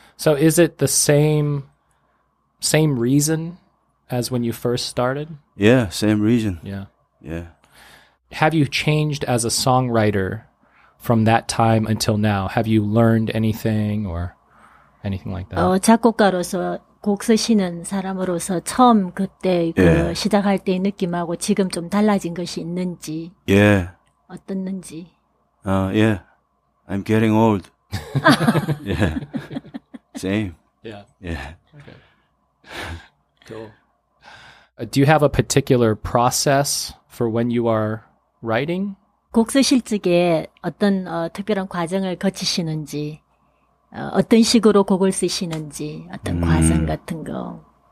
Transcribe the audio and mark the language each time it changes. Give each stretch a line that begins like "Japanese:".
English: So is it the same reason as when you first started? Yeah, same reason. Yeah. Yeah. Have you changed as a songwriter from that time until now? Have you learned anything or anything like that?
Korean: 작곡가로서 곡 쓰시는 사람으로서 처음 그때 그 yeah. 시작할 때의 느낌하고 지금 좀 달라진 것이 있는지
English: yeah.
Korean: 어떻는지
English: yeah. I'm getting old. yeah. Same. Yeah. Yeah. Okay. Cool. Do you have a particular process for when you are writing?
Korean: 곡 쓰실 적에 어떤 특별한 과정을 거치시는지 어떤 식으로 곡을 쓰시는지 어떤 과정 같은 거.